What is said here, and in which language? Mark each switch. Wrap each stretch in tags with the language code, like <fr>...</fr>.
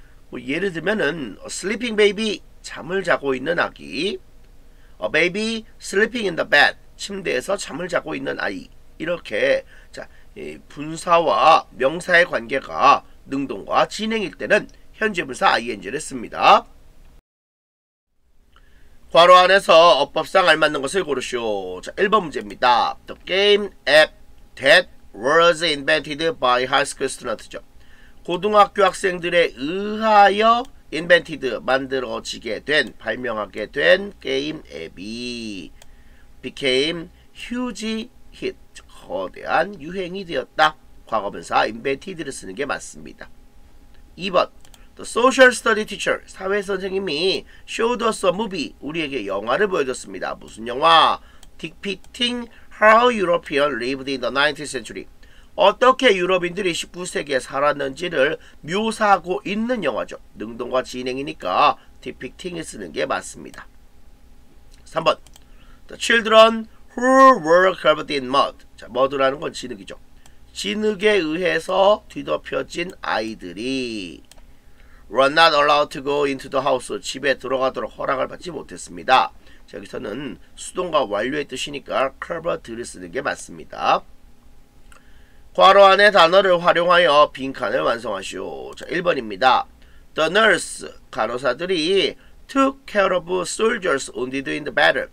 <ko>뭐 예를 들면은</ko> <en>sleeping baby</en> <ko>잠을 자고 있는 아기,</ko> <en>a baby sleeping in the bed</en> <ko>침대에서 잠을 자고 있는 아이 이렇게 자, 이 분사와 명사의 관계가 능동과 진행일 때는 현재 분사 ing를 씁니다. 괄호 안에서 어법상 알맞는 것을 고르시오. 자, 1번 문제입니다.</ko> <en>The game app that was invented by high school students</en> <ko>죠. 고등학교 학생들에 의하여 invented, 만들어지게 된, 발명하게 된 게임 앱이</ko> <en>became huge hit,</en> <ko>거대한 유행이 되었다. 과거분사 invented를 쓰는 게 맞습니다. 2번.</ko> <en>The social study teacher,</en> <ko>사회선생님이</ko> <en>showed us a movie,</en> <ko>우리에게 영화를 보여줬습니다. 무슨 영화?</ko> <en>Depicting how Europeans lived in the 19th century.</en> <ko>어떻게 유럽인들이 19세기에 살았는지를 묘사하고 있는 영화죠. 능동과 진행이니까 depicting을 쓰는 게 맞습니다. 3번.</ko> <en>The children who were covered in mud.</en> <ko>자, mud라는 건 진흙이죠. 진흙에 의해서 뒤덮여진 아이들이</ko> <en>were not allowed to go into the house.</en> <ko>집에 들어가도록 허락을 받지 못했습니다. 여기서는 수동과 완료의 뜻이니까 covered를 쓰는 게 맞습니다. 괄호 안에 단어를 활용하여 빈칸을 완성하시오. 자, 1번입니다.</ko> <en>The nurse,</en> <ko>간호사들이</ko> <en>took care of soldiers wounded in the battle.</en>